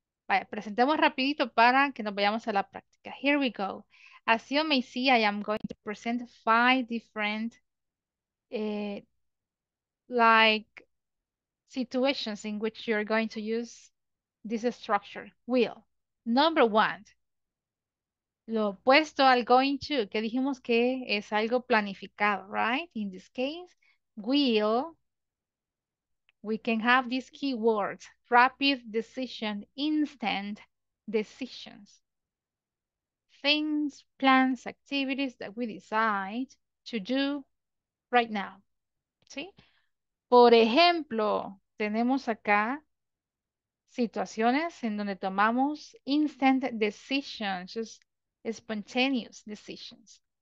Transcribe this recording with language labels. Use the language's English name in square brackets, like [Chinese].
[Spanish] Vaya, presentemos rapidito para que nos vayamos a la práctica. [English] Here we go. As you may see, I am going to present five different situations in which you're going to use this structure. Will. Number one. [Spanish] Lo opuesto al going to, que dijimos que es algo planificado, right? [English] In this case, will, we can have these keywords, rapid decision, instant decisions. Things, plans, activities that we decide to do right now. [Spanish] ¿Sí? Por ejemplo, tenemos acá situaciones en donde tomamos [English] instant decisions, just spontaneous decisions.